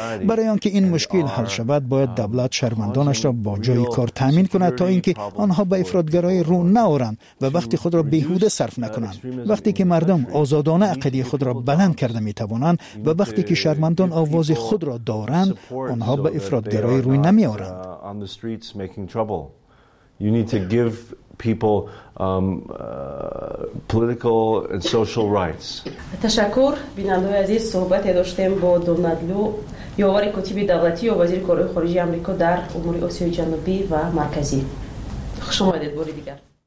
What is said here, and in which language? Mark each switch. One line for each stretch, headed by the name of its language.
Persian: برای آنکه این مشکل حل شود باید دولت شهروندانش را با جای کار تامین کند تا اینکه آنها به افراطگرایی رو نآورند و وقت خود را بیهوده صرف نکنند. وقتی که مردم آزادانه عقیده خود را بلند کرده می توانند و وقتی که شهروندان آواز خود را دارند آنها به افراطگرایی روی نمی آورند.
English: You need to give people political and social rights.
Persian: تشکر بیننده عزیز، صحبت داشتیم با دونالدو یووری کتیب دولتی و وزیر کارهای خارجی آمریکا در امور آسیای جنوبی و مرکزی. خوش آمدید بار دیگر.